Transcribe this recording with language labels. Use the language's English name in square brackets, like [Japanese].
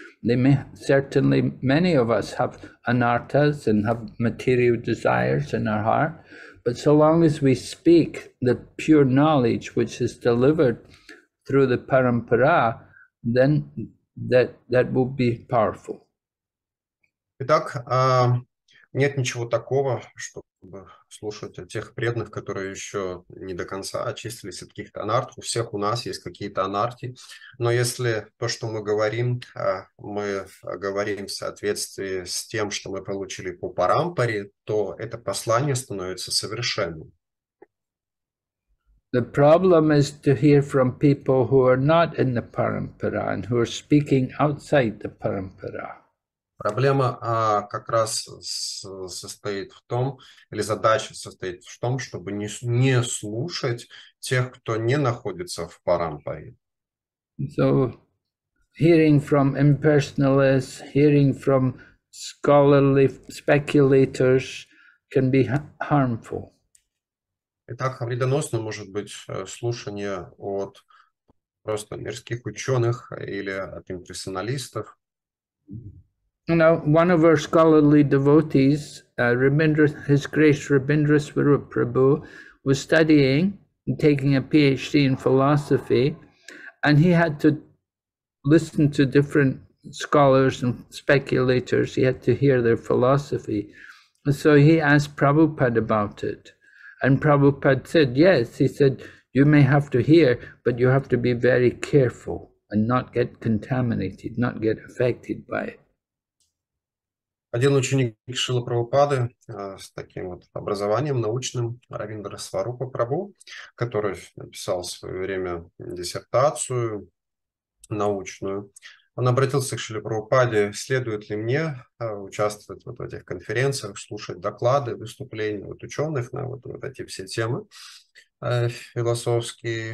[English] They may, certainly many of us have anarthas and have material desires in our heart, but so long as we speak the pure knowledge which is delivered through the parampara, then that will be powerful. [Russian] Итак, нет ничего такого, чтобы слушать о тех преданных, которые еще не до конца очистились от каких-то анарх. У всех у нас есть какие-то анархи. Но если то, что мы говорим в соответствии с тем, что мы получили по парампаре, то это послание становится совершенным. [English] The problem is to hear from people who are not in the parampara and who are speaking outside the parampara. [Russian] Проблема как раз состоит в том, или задача состоит в том, чтобы не слушать тех, кто не находится в парампаре. [English] So, hearing from impersonalists, hearing from scholarly speculators can be harmful. [Russian] Итак, вредоносно может быть слушание от просто мирских ученых или от имперсоналистов. [English] Now, one of our scholarly devotees, His Grace Rabindra Swarup Prabhu, was studying and taking a PhD in philosophy, and he had to listen to different scholars and speculators. He had to hear their philosophy. And so he asked Prabhupada about it. And Prabhupada said, yes, he said, you may have to hear, but you have to be very careful and not get contaminated, not get affected by it. [Russian] Один ученик Шрилы Прабхупады с таким вот образованием научным, Равиндра Сварупа Прабу, который написал в свое время диссертацию научную, он обратился к Шриле Прабхупаде, следует ли мне участвовать вот в этих конференциях, слушать доклады, выступления вот ученых на вот эти все темы философские.